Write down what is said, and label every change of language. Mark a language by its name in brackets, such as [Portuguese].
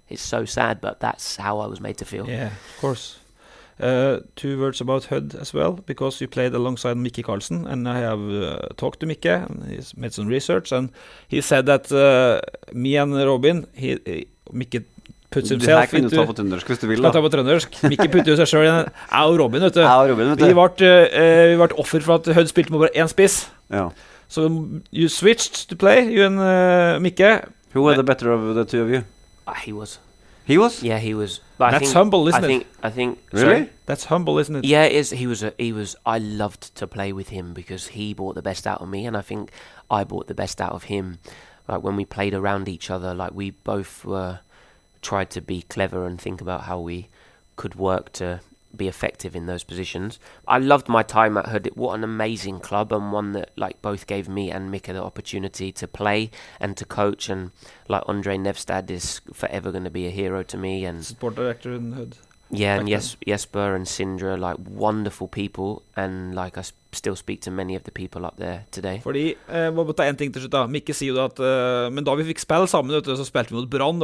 [English] It's so sad, but that's how I was made to feel. Yeah, of course. Two words about Hødd as well, because you played alongside Mikke Karlsen, and I have talked to Mikke, and he's made some research, and he said that me and Robin, Mikke puts himself into... [Norwegian] Du kan ta på trøndersk hvis du vil, da. Ta på trøndersk. Mikke putter jo seg selv igjen. Jeg og Robin, vet du. Jeg og Robin, vet du. Vi ble offer for at Hødd spilte med bare en spiss. Ja. [English] So you switched to play, you and Mikke. Who were the better of the two of you? He was. He was? Yeah, he was. But that's humble, isn't it? I think. Really? Sorry? That's humble, isn't it? Yeah, it is. He was. I loved to play with him because he brought the best out of me, and I think I brought the best out of him. Like when we played around each other, like we both were tried to be clever and think about how we could work to be effective in those positions. I loved my time at Hødd. What an amazing club, and one that like both gave me and Mikke the opportunity to play and to coach. And like Andre Nevstad is forever going to be a hero to me, and sport director in Hødd. Yeah, and Jesper and Sindre, like wonderful people, and like I still speak to many of the people up there today. [Norwegian] Fordi, må ta en ting til slutt da. Mikke sier jo da at, men da vi fikk spille sammen, vet du, så spilte vi mot Brann.